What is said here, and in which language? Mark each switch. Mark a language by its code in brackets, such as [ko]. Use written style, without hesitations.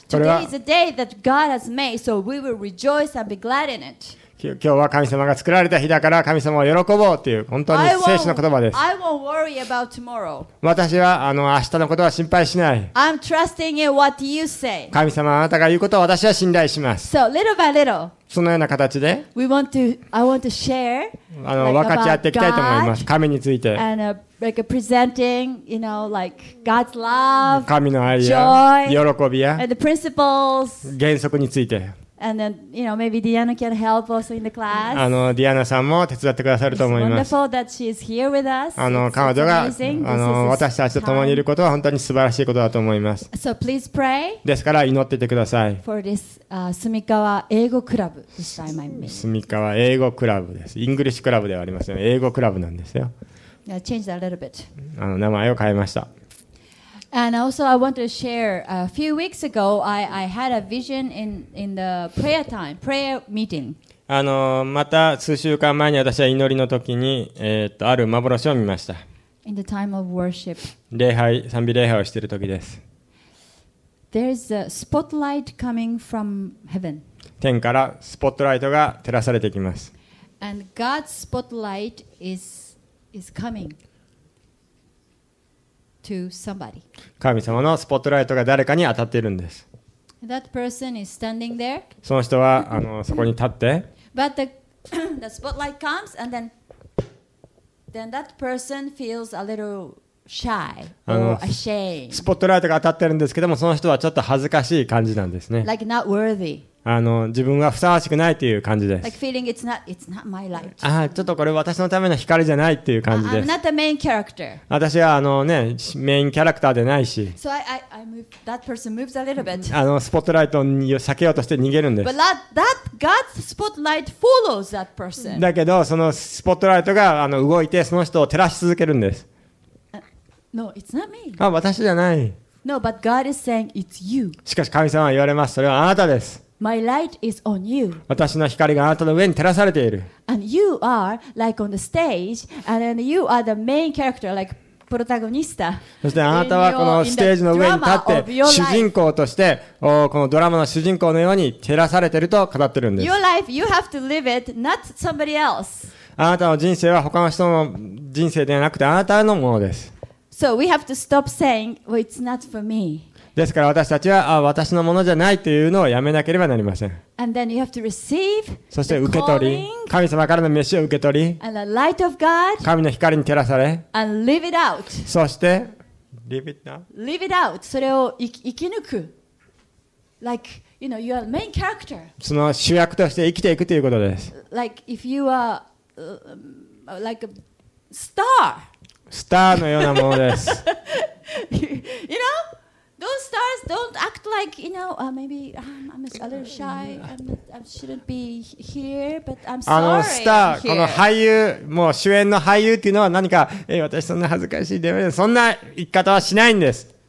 [en] Today is the day that God has made, so we will rejoice and be glad in it. [ja] 今日は神様が作られた日だから神様を喜ぼうっていう本当に聖書の言葉です。 [en] I won't worry about tomorrow. [ja] 私はあの明日のことは心配しない。 [en] I'm trusting in what you say. [ja] 神様あなたが言うことを私は信頼します。 [en] So little by little. [ja] そのような形で [en] We want to, I want to share, [ja] あの、like、分かち合っていきたいと思います。神について。 [en] And, like、presenting, you know, like、God's love, [ja] 神の愛や [en] joy, [ja] 喜びや [en] and the principles. [ja] 原則について。 [en] And then, you know, maybe Diana can help also in the class. [ja] あの、ディアナさんも手伝ってくださると思います。 [en] It's wonderful that she is here with us. [ja] あの、彼女が、あの、私たちと共にいることは本当に素晴らしいことだと思います。 [en] So please pray. [ja] ですから祈っていてください。 [en] For this, すみかわ英語クラブ this time I mean. [ja] すみかわ英語クラブです。イングリッシュクラブではありません。英語クラブなんですよ。 [en] I changed that a little bit. [ja] あの、名前を変えました。 [en] And also, I want to share. A few weeks ago, I had a vision in the prayer time, prayer meeting. [ja] あのまた数週間前に私は祈りの時に、ある幻を見ました。 [en] In the time of worship. [ja] 礼拝、賛美礼拝をしている時です。 [en] There's a spotlight coming from heaven. [ja] 天からスポットライトが照らされてきます。 [en] And God's spotlight is coming. To somebody. [ja] 神様のスポットライトが誰かに当たっているんです。 [en] That person is standing there. [ja] その人はあのそこに立って。 [en] But the spotlight comes and then that person feels a little shy or ashamed. [ja] スポットライトが当たっているんですけども、その人はちょっと恥ずかしい感じなんですね。 [en] Like not worthy. [ja] あの自分はふさわしくないという感じです。 [en] Like feeling it's not my light. [ja] ああ、ちょっとこれ私のための光じゃないっていう感じです。 [en] I'm not the main character. [ja] 私はあのねメインキャラクターでないし。 [en] So I move that person moves a little bit. [ja] あのスポットライトを避けようとして逃げるんです。 [en] But that God's spotlight follows that person. [ja] だけどそのスポットライトがあの動いてその人を照らし続けるんです。 [en] No, it's not me. [ja] あ、私じゃない。 [en] No, but God is saying it's you. [ja] しかし神様は言われます。それはあなたです。 [en] My light is on you. [ja] 私の光があなたの上に照らされている。 [en] And you are like on the stage, and then you are the main character, like protagonista. [ja] そしてあなたはこのステージの上に立って主人公としてこのドラマの主人公のように照らされていると語っているんです。 [en] Your life, you have to live it, not somebody else. [ja] あなたの人生は他の人の人生ではなくてあなたのものです。 [en] So we have to stop saying, well, it's not for me. [ja] ですから私たちは私のものじゃないというのをやめなければなりません。 [en] And then you have to receive the calling, [ja] そして受け取り神様からの召しを受け取り [en] and the light of God, [ja] 神の光に照らされ [en] and live it out. [ja] そして [en] Leave it out. Leave it out. [ja] それを生き抜く。 [en] Like, you know, your main character. [ja] その主役として生きていくということです。 [en] Like if you are like a star. [ja] スターのようなものです。 [en] You know? Those stars don't act like, you know, maybe I'm a little shy. I shouldn't be here, but I'm sorry. [ja] あのスター、この俳優、もう主演の俳優っていうのは何か、私そんな恥ずかしいでもない、そんな言い方はしないんです。